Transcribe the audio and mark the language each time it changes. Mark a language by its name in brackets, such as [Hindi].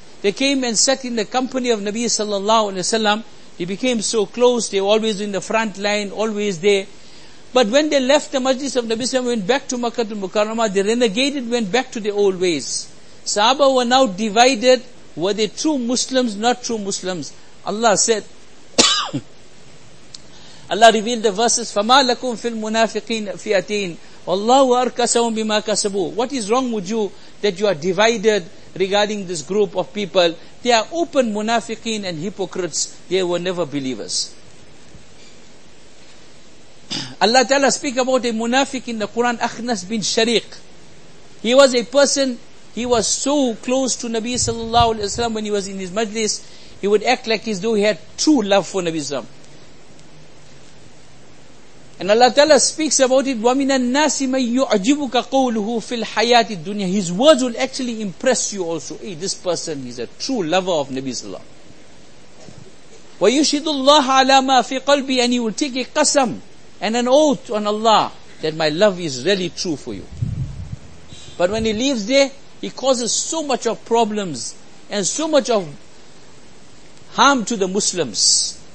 [English] They came and sat in the company of Nabi sallallahu alayhi wa sallam. They became so close, they were always in the front line, always there. But when they left the majlis of Nabi sallam, went back to Makkatul Mukarrama, they renegated, went back to the old ways. Sahaba were now divided, were they true Muslims, not true Muslims. Allah said, Allah revealed the verses, [Arabic] فَمَا لَكُمْ فِي الْمُنَافِقِينَ فِيَتَيْنَ وَاللَّهُ أَرْكَسَهُمْ بِمَا كَسَبُوا. [English] What is wrong with you that you are divided regarding this group of people? They are open munafiqeen and hypocrites. They were never believers. Allah Ta'ala speak about a munafiq in the Quran, Akhnas bin Shariq. He was a person, he was so close to Nabi Sallallahu Alaihi Wasallam when he was in his majlis, he would act like as though he had true love for Nabi Sallallahu. And Allah Ta'ala speaks about it, [Arabic] وَمِنَ النَّاسِ مَنْ يُعْجِبُكَ قَوْلُهُ فِي الْحَيَاةِ الدُّنْيَا. [English] His words will actually impress you also. Hey, this person is a true lover of Nabi Sallallahu Alaihi Wasallam. [Arabic] وَيُشْهِدُ اللَّهَ عَلَى مَا فِي قَلْبِي. [English] And he will take a qasam and an oath on Allah that my love is really true for you. But when he leaves there, he causes so much of problems and so much of harm to the Muslims.